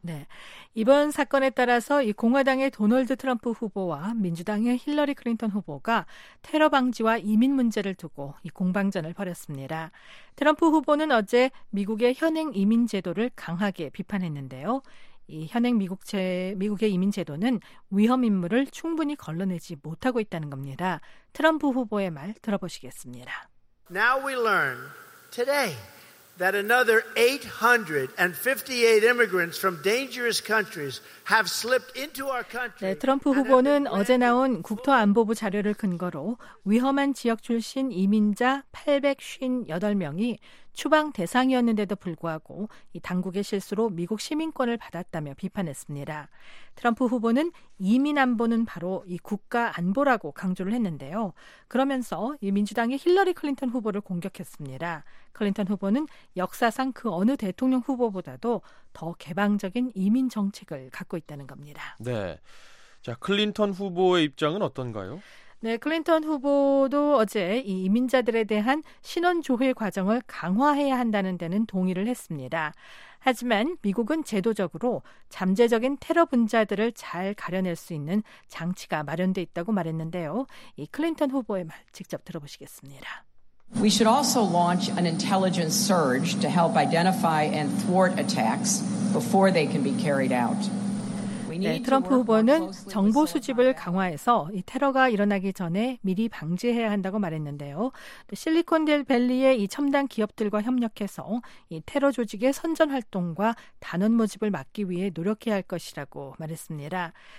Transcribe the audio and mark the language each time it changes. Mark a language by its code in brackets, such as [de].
[ko] 네, 이번 사건에 따라서 이 공화당의 도널드 트럼프 후보와 민주당의 힐러리 클린턴 후보가 테러 방지와 이민 문제를 두고 이 공방전을 벌였습니다. 트럼프 후보는 어제 미국의 현행 이민 제도를 강하게 비판했는데요. 이 현행 미국의 이민 제도는 위험 인물을 충분히 걸러내지 못하고 있다는 겁니다. 트럼프 후보의 말 들어보시겠습니다. [en] Now we learn today that another 858 immigrants from dangerous countries have slipped into our country. [ko] 네, 트럼프 후보는 어제 나온 국토안보부 자료를 근거로 위험한 지역 출신 이민자 858명이 추방 대상이었는데도 불구하고 이 당국의 실수로 미국 시민권을 받았다며 비판했습니다. 트럼프 후보는 이민 안보는 바로 이 국가 안보라고 강조를 했는데요. 그러면서 이 민주당의 힐러리 클린턴 후보를 공격했습니다. 클린턴 후보는 역사상 그 어느 대통령 후보보다도 더 개방적인 이민 정책을 갖고 있다는 겁니다. 네. 자, 클린턴 후보의 입장은 어떤가요? 네, 클린턴 후보도 어제 이 이민자들에 대한 신원 조회 과정을 강화해야 한다는 데는 동의를 했습니다. 하지만 미국은 제도적으로 잠재적인 테러 분자들을 잘 가려낼 수 있는 장치가 마련돼 있다고 말했는데요. 이 클린턴 후보의 말 직접 들어보시겠습니다. [en] We should also launch an intelligence surge to help identify and thwart attacks before they can be carried out. [ko] 네, 트럼프 후보는 정보 수집을 강화해서 이 테러가 일어나기 전에 미리 방지해야 한다고 말했는데요. 실리콘밸리의 이 첨단 기업들과 협력해서 이 테러 조직의 선전 활동과 단원 모집을 막기 위해 노력해야 할 것이라고 말했습니다.